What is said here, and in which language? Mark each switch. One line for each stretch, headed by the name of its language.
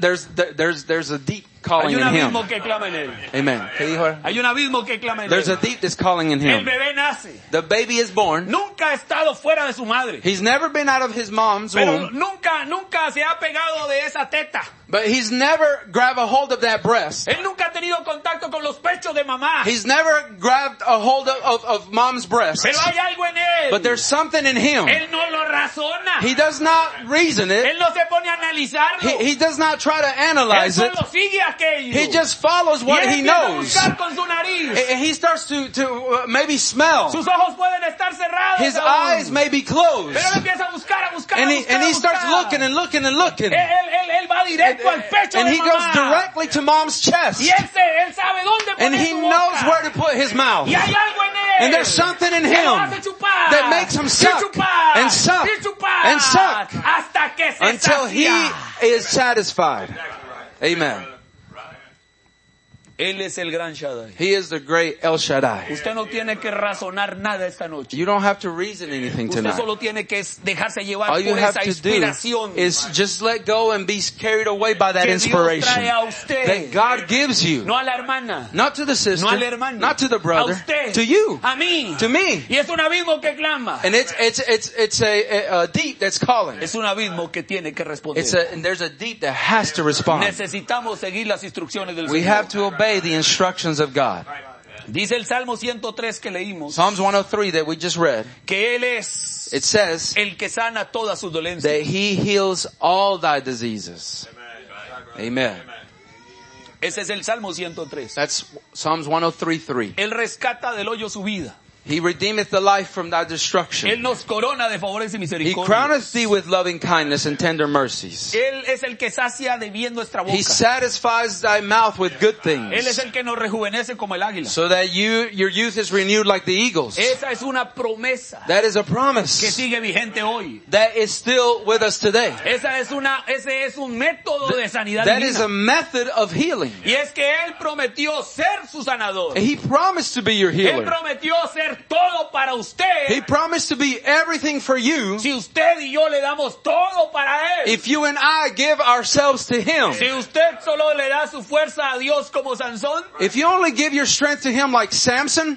English: There's a deep calling in him. Amen.
Spanish: ¿Qué dijo? Hay un abismo que clama en él.
English: There's a deep that's calling in him.
Spanish: El bebé nace.
English: The baby is born.
Spanish: Nunca ha estado fuera de su madre.
English: He's never been out of his mom's
Spanish: pero
English: womb.
Spanish: Nunca se ha pegado de esa teta.
English: But he's never grabbed a hold of that breast.
Spanish: Él nunca ha tenido contacto con los pechos de mamá.
English: He's never grabbed a hold of mom's breast.
Spanish: Pero hay algo en él.
English: But there's something in him.
Spanish: Él no lo razona.
English: He does not reason it.
Spanish: Él no se pone a analizarlo.
English: He does not try to analyze
Spanish: él solo sigue
English: it.
Spanish: Aquello.
English: He just follows what
Spanish: y él
English: he knows.
Spanish: A buscar con su nariz.
English: He starts to maybe smell.
Spanish: Sus ojos pueden estar cerrados.
English: His eyes may be closed.
Spanish: Pero él empieza a buscar, a buscar,
English: and he,
Spanish: a buscar,
English: and he
Spanish: a buscar.
English: Starts looking and looking and looking.
Spanish: Él va directo.
English: And he goes directly to mom's chest. And he knows where to put his mouth. And there's something in him that makes him suck and suck and suck until he is satisfied. Amen.
Spanish: Él es el gran Shaddai.
English: He is the great El Shaddai.
Spanish: Usted no tiene que razonar nada esta noche.
English: You don't have to reason anything
Spanish: usted
English: tonight.
Spanish: Usted solo tiene que dejarse llevar por esa inspiración.
English: Is just let go and be carried away by that
Spanish: que
English: inspiration.
Spanish: Dios trae a usted.
English: That God gives you.
Spanish: No a la hermana.
English: Not to the sister.
Spanish: No al hermano.
English: Not to the brother.
Spanish: A usted.
English: To you.
Spanish: A mí.
English: To me.
Spanish: Y es un abismo que clama.
English: And it's a deep that's calling.
Spanish: Es un abismo que tiene que responder.
English: And there's a deep that has to respond.
Spanish: Necesitamos seguir las instrucciones del
English: we We have to obey the instructions of God.
Spanish: Dice el Salmo 103 que leímos.
English: Psalms 103 that we just read.
Spanish: Que él es
English: it says
Spanish: el que sana todas sus dolencias.
English: That he heals all thy diseases. Amen. Amen.
Spanish: Ese es el Salmo 103.
English: That's Psalms 103:3.
Spanish: Él rescata del hoyo su vida.
English: He redeemeth the life from thy destruction.
Spanish: Él nos corona de favores y misericordias.
English: He crowneth thee with loving kindness and tender mercies.
Spanish: Él es el que sacia de bien nuestra boca.
English: He satisfies thy mouth with good things.
Spanish: Él es el que nos rejuvenece como el águila.
English: So that your youth is renewed like the eagles.
Spanish: Esa es una promesa.
English: That is a promise.
Spanish: Que sigue vigente hoy.
English: That is still with us today.
Spanish: Ese es un método de sanidad.
English: That is a method of healing.
Spanish: Y es que él prometió ser su sanador.
English: He promised to be your healer.
Spanish: Él prometió ser todo para usted.
English: He promised to be everything for you.
Spanish: Si usted y yo le damos todo para él.
English: If you and I give ourselves to him.
Spanish: Si usted solo le da su fuerza a Dios como Sansón.
English: If you only give your strength to him like Samson.